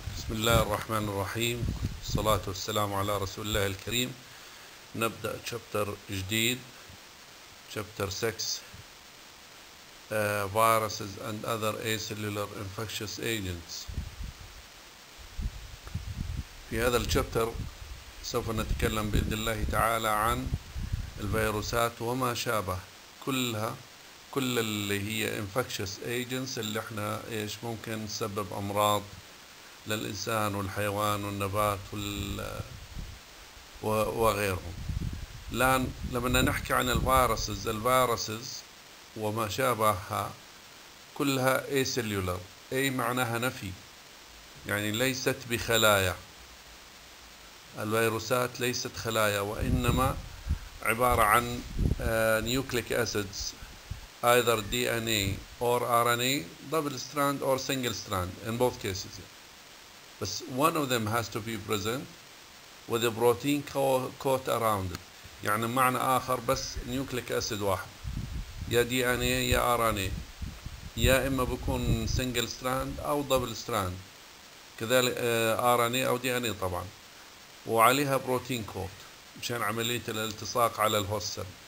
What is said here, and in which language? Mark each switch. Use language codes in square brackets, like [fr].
[ar] بسم الله الرحمن الرحيم، الصلاة والسلام على رسول الله الكريم. نبدأ شابتر جديد، شابتر 6، [en] viruses and other acellular infectious agents. [ar] في هذا الشابتر سوف نتكلم بإذن الله تعالى عن الفيروسات وما شابه، كلها كل اللي هي infectious agents اللي احنا ايش ممكن تسبب أمراض للإنسان والحيوان والنبات وغيرهم. الآن لما نحكي عن الفيروسز وما شابهها، كلها acellular، أي معناها نفي، يعني ليست بخلايا. الفيروسات ليست خلايا، وإنما عبارة عن [en] nucleic acids، either DNA or RNA، double strand or single strand in both cases. But one of them has to be present with a protein coat around it. [ar] يعني معنى آخر، بس nucleic acid واحد، يا DNA يا RNA، يا إما بكون single strand أو double strand، كذلك RNA أو DNA طبعا، وعليها protein coat مشان عملية الالتصاق على الهوست سيل.